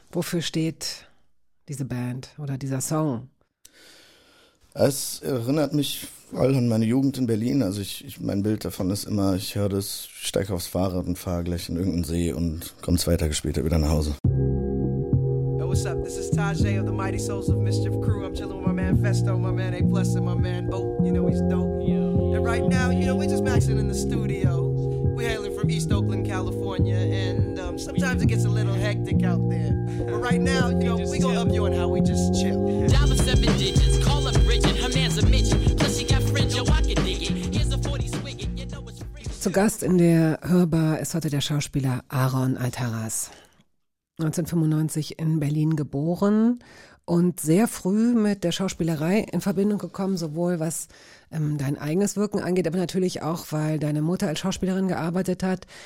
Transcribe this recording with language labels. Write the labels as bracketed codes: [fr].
[de] Wofür steht diese Band oder dieser Song? Es erinnert mich voll an meine Jugend in Berlin. Also mein Bild davon ist immer, ich höre das, steige aufs Fahrrad und fahre gleich in irgendeinen See und komme 2 Tage später wieder nach Hause. [en] What's up? This is Tajay of the Mighty Souls of Mischief Crew. I'm chilling with my man Festo, my man A-Plus, and my man Bo. You know, he's dope. And right now, you know, we're just maxing in the studio. We're hailing from East Oakland, California, and sometimes it gets a little hectic out there. But right now, you know, we gonna up you on how we just chill. Down the 7 digits, call up Bridget, her man's a midget. Plus she got friends, yo, I can dig it. Here's a 40 swigging, you know it's freaking. [de] Zu Gast in der Hörbar ist heute der Schauspieler Aaron Alteraz. 1995 in Berlin geboren und sehr früh mit der Schauspielerei in Verbindung gekommen, sowohl was dein eigenes Wirken angeht, aber natürlich auch, weil deine Mutter als Schauspielerin gearbeitet hat.